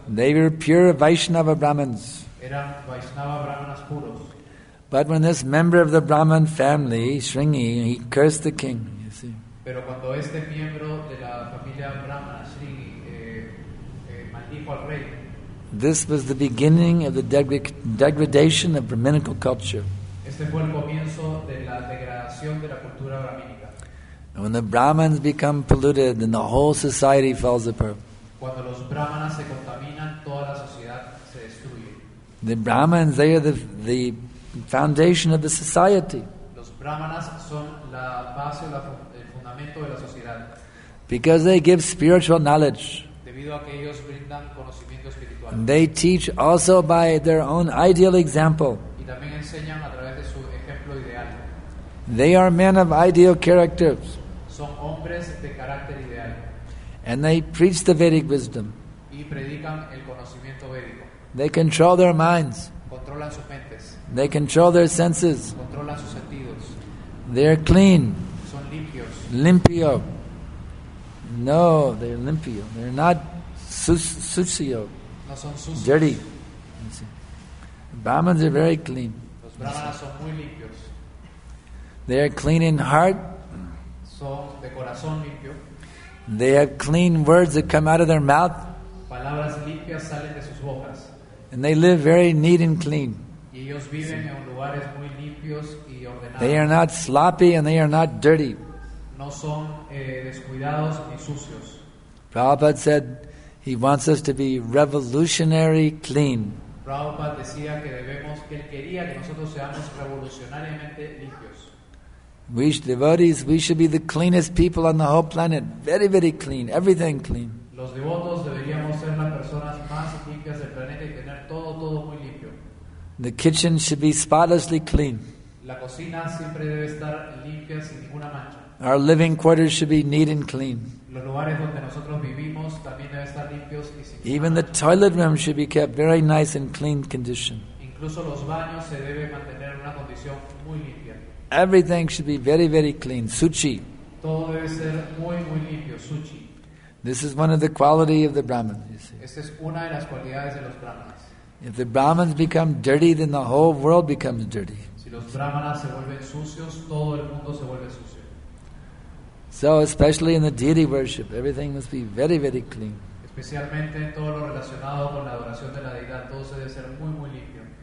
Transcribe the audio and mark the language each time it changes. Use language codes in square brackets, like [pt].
[en] They were pure Vaishnava Brahmins. [es] Eran Vaishnava Brahmanas puros. [en] But when this member of the Brahman family, Sringi, he cursed the king, you see. [es] Pero cuando este miembro de la familia Brahmana, Sringi, maldijo al rey. [en] This was the beginning of the degradation of Brahminical culture. [es] Este fue el comienzo de la degradación de la cultura brahmínica. [en] When the Brahmins become polluted, then the whole society falls apart. [es] Cuando los Brahmanas se contaminan, toda la sociedad se destruye. [en] The Brahmins, they are the foundation of the society. [es] Los Brahmanas son la base, el fundamento de la sociedad. [en] Because they give spiritual knowledge. [es] Debido a que ellos brindan conocimiento espiritual. [en] And they teach also by their own ideal example. [es] Y también enseñan a través de su ejemplo ideal. [en] They are men of ideal characters. [es] Son hombres de carácter ideal. [en] And they preach the Vedic wisdom. [es] Y predican el conocimiento védico. [en] They control their minds. [es] Controlan sus mentes. [en] They control their senses. [es] Controlan sus sentidos. [en] They are clean. [es] Son limpios. Limpio. [en] No, they are limpio. They are not sucio. [es] No son sucios. [en] Dirty. Brahmins are very clean. [es] Los brahmanas son muy limpios. [en] They are clean in heart. [es] Son de corazón limpio. [en] They have clean words that come out of their mouth. [es] Palabras limpias salen de sus bocas. [en] And they live very neat and clean. [es] Y ellos viven en lugares muy limpios y ordenados. [en] They are not sloppy and they are not dirty. [es] No son descuidados ni sucios. [en] Prabhupada said he wants us to be revolutionary clean. [es] Prabhupada decía que debemos, que él quería que nosotros seamos revolucionariamente limpios. [en] We devotees, we should be the cleanest people on the whole planet. Very, very clean. Everything clean. [es] Los devotos deberíamos ser las personas más limpias del planeta y tener todo, todo muy limpio. [en] The kitchen should be spotlessly clean. [es] La cocina siempre debe estar limpia sin ninguna mancha. [en] Our living quarters should be neat and clean. [es] Los lugares donde nosotros vivimos también deben estar limpios y sin ninguna mancha. [en] Even the toilet room should be kept very nice and clean condition. [es] Incluso los baños se deben mantener en una condición muy limpia. [en] Everything should be very, very clean. Suci. [es] Todo debe ser muy, muy limpio. Suci. [en] This is one of the qualities of the Brahmins, you see. [es] Esta es una de las cualidades de los Brahmanas. [en] If the Brahmins become dirty, then the whole world becomes dirty. [es] Si los Brahmanas se vuelven sucios, todo el mundo se vuelve sucio. [en] So especially in the deity worship, everything must be very, very clean. [es] Especialmente todo lo relacionado con la adoración de la deidad, todo se debe ser muy, muy limpio.